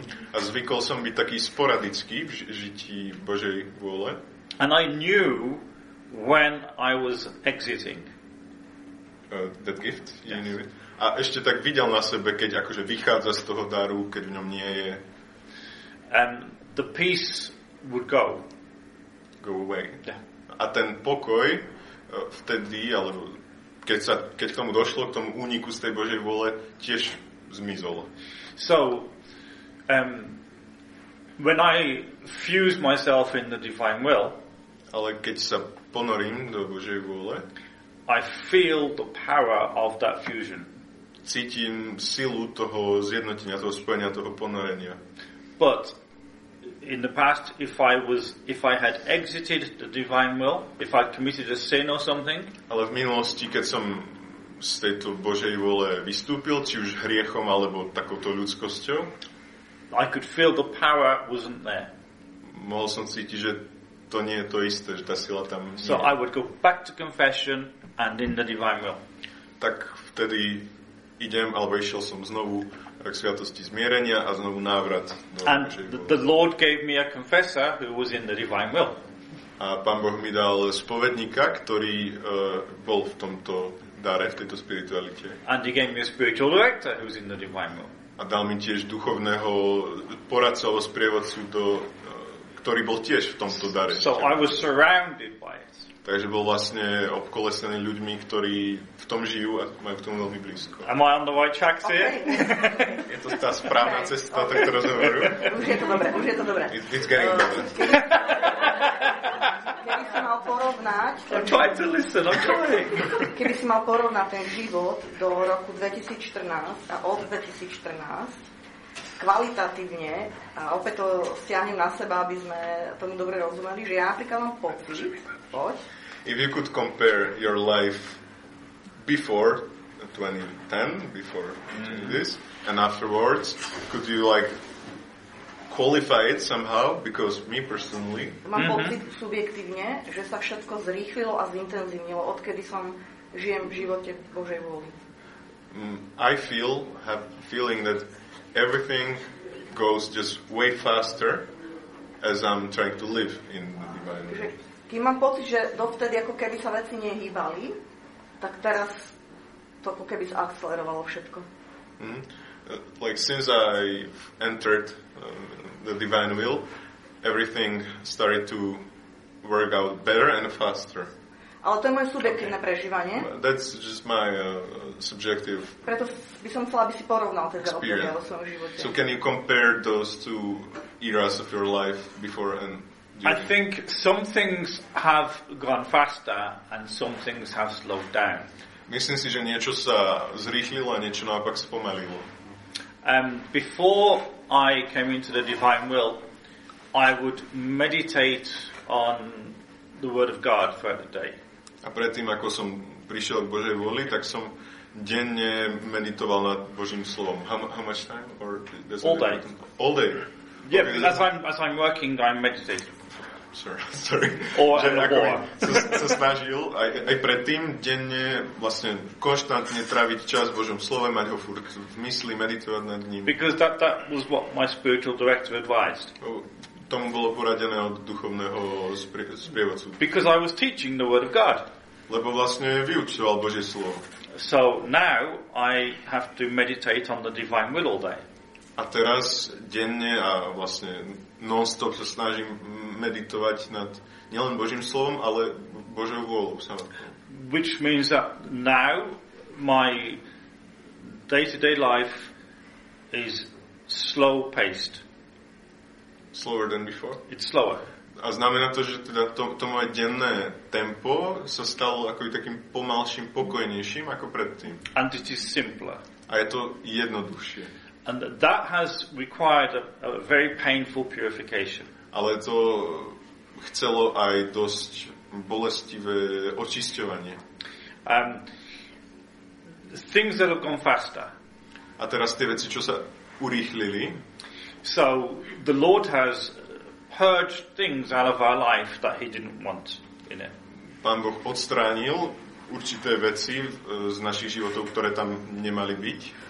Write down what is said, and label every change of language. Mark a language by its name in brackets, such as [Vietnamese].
[Slovak] A zvykol som byť taký sporadický v žití Božej vôle. [English] And I knew when I was exiting. That gift? Yes. Knew it. [Slovak] A ešte tak videl na sebe, keď akože vychádza z toho daru, keď v ňom nie je. [English] The peace would go. Go away. Yeah. [Slovak] A ten pokoj vtedy, alebo keď k tomu došlo, k tomu úniku z tej Božej vôle, tiež zmizol. [English] So when I fuse myself in the divine will, [Slovak] ale keď sa ponorím do Božej vôle, [English] I feel the power of that fusion. [Slovak] Cítim silu toho zjednotenia, toho spojenia, toho ponorenia. [English] But in the past, if I had exited the divine will, if I'd committed a sin or something, [Slovak] ale v minulosti, keď som z tejto Božej vôle vystúpil, či už hriechom alebo takouto ľudskosťou, [English] I could feel the power wasn't there. [Slovak] Mohol som cítiť, že to nie je to isté, že tá sila tam nie. [English] So I would go back to confession and in the divine will. [Slovak] Tak vtedy idem, alebo išiel som znovu k sviatosti zmierenia a znovu návrat. [English] And the Lord gave me a confessor who was in the divine will. [Slovak] A Pán Boh mi dal spovedníka, ktorý bol v tomto dare, v tejto spiritualite. [English] And he gave me a spiritual director who was in the divine will. [Slovak] A dal mi tiež duchovného poradca alebo sprievodcu, ktorý bol tiež v tomto dare. [English] So I was surrounded by it. [Slovak] Takže bol vlastne obkolesený ľuďmi, ktorí v tom žijú a majú k tomu veľmi blízko. [English] Am I on the right track, sir? Okay. [Slovak] Je to tá správna cesta, okay. Tak to rozhovoru. Už je to dobré, už je to dobré. [English] It's getting better. [Slovak] Keby si mal porovnať... [English] I'm trying to listen, I'm trying. [Slovak] Keby si mal porovnať ten život do roku 2014 a od 2014 kvalitatívne, a opäť to stiahnem na seba, aby sme tomu dobre rozumeli, že ja napríklad mám pocit... [English] If you could compare your life before 2010, before this, and afterwards, could you like qualify it somehow? Because me personally, [Slovak] mám pocit subjektívne, že sa všetko zrýchlilo a zintenzívnilo odkedy som žijem v živote Božej vôli. [English] I feel have feeling that everything goes just way faster as I'm trying to live in the divine world. [Slovak] Keď mám pocit, že dovtedy ako keby sa veci nehýbali, tak teraz to ako keby zaakcelerovalo všetko. Mm-hmm. [English] Like since I entered the divine will, everything started to work out better and faster. [Slovak] Ale to je moje subjektívne prežívanie. [English] That's just my subjective. [Slovak] Preto by som chcela, aby si porovnal teda obdobie vo svojom živote. [English] So can you compare those two eras of your life before and I think some things have gone faster and some things have slowed down. [Slovak] Myslím si, že niečo sa zrýchlilo a niečo naopak spomalilo. [English] Before I came into the divine will, I would meditate on the word of God for the day. [Slovak] A predtým, ako som prišiel k Božej vôli, tak som denne meditoval nad Božím slovom. [English] How much time? Or all day. All day. Yeah, okay. as I'm working, I'm meditating. Sorry. Or [Slovak] že ako sa snažil aj predtým denne vlastne konštantne tráviť čas Božom slove, mať ho furt v mysli, meditovať nad ním. [English] Because that was what my spiritual director advised. [Slovak] Tomu bolo poradené od duchovného sprievodcu. [English] Because I was teaching the word of God. [Slovak] Lebo vlastne vyučoval Božie slovo. [English] So now I have to meditate on the divine will all day. [Slovak] A teraz denne a vlastne non-stop sa snažím meditovať nad nielen Božím slovom, ale Božou vôľou samotnou. [English] Which means that now my day-to-day life is slow-paced. Slower than before? It's slower. [Slovak] A znamená to, že teda to moje denné tempo sa stalo ako takým pomalším, pokojnejším ako predtým. [English] And it is simpler. [Slovak] A je to jednoduchšie. [English] And that has required a very painful purification. [Slovak] Ale to chcelo aj dosť bolestivé očisťovanie. [English] Things that have gone faster. [Slovak] A teraz tie veci, čo sa urýchlili. [English] So the Lord has purged things out of our life that he didn't want in it. [Slovak] Pán Boh odstránil určité veci z našich životov, ktoré tam nemali byť.